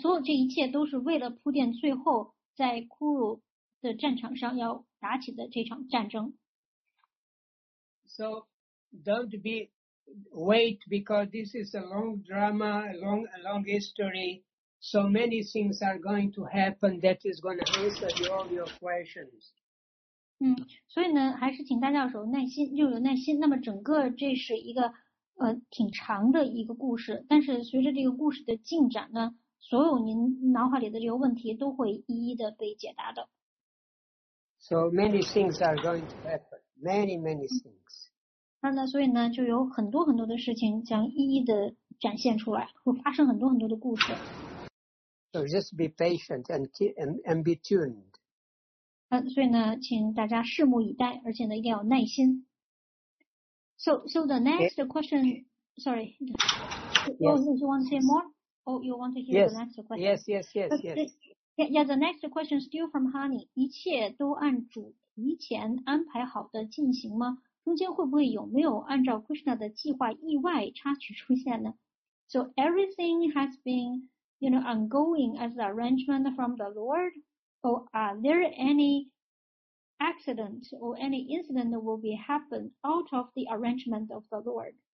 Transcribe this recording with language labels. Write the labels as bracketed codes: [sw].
[zh] 所有这一切都是为了铺垫最后在 Kuru 的战场上要打起的这场战争。 [en] So don't be wait because this is a long drama, a long history. So many things are going to happen that is going to answer all your questions. [zh] 所以呢，还是请大家有耐心。那么整个这是一个挺长的一个故事，但是随着这个故事的进展呢，所有您脑海里的这个问题都会一一的被解答的。 [en] So many things are going to happen. Many things. [zh] 那所以呢，就有很多很多的事情将一一的展现出来，会发生很多很多的故事。 [en] So just be patient and be tuned. [zh] 所以呢，请大家拭目以待，而且呢，一定要有耐心。 [en] So the next question, sorry, Yes. you want to say more? Oh, you want to hear the next question? Yes. Yes. Yes. Yes. Yeah, the next question is still from Honey. [zh] 一切都按主题前安排好的进行吗？中间会不会有没有按照 Krishna 的计划意外插曲出现呢？ [en] So everything has been, you know, ongoing as the arrangement from the Lord? Or are there any accident or any incident that will be happen out of the arrangement of the Lord?